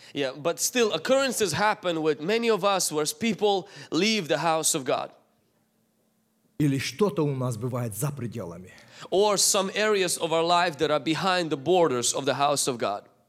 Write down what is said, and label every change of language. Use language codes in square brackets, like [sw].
[en] Yeah, but still occurrences happen with many of us where people leave the house of God. [ru] Или что-то у нас бывает за пределами. [en] Or some areas of our life that are behind the borders of the house of God.